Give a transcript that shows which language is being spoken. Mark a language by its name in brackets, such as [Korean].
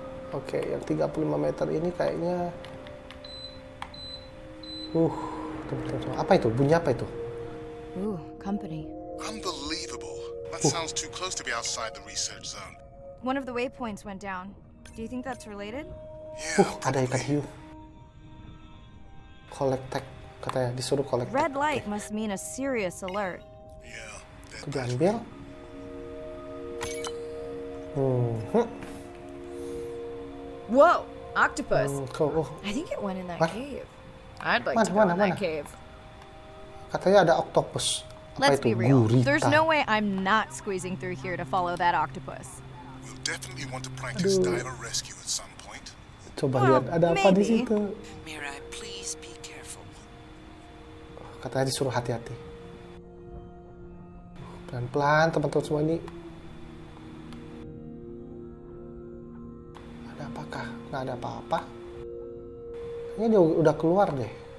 [Indonesian] Yang 35 meter ini kayaknya apa itu? Bunyi apa itu? [English] Company. Unbelievable. That sounds too close to be outside the research zone. One of the waypoints went down. Do you think that's related? [Indonesian] Ada ikan hiu. [English] Collect tech. [Indonesian] Katanya disuruh [English] collect tech. Red light must mean a serious alert. Yeah. [Indonesian] Kita ambil. [English] Whoa, octopus. I think it went in that cave. I'd like to go in that cave. [Indonesian] Katanya ada octopus. [English] Let's be real. [Indonesian] Gurita. [English] There's no way I'm not squeezing through here to follow that octopus. We'll definitely want to practice diver rescue at some point. [Indonesian] Coba lihat ada apa di situ. [English] Mira, please be careful. [Indonesian] Katanya disuruh hati-hati. Pelan-pelan, teman-teman semua ini. Ada apakah? Nggak ada apa-apa. Kayaknya dia udah keluar deh.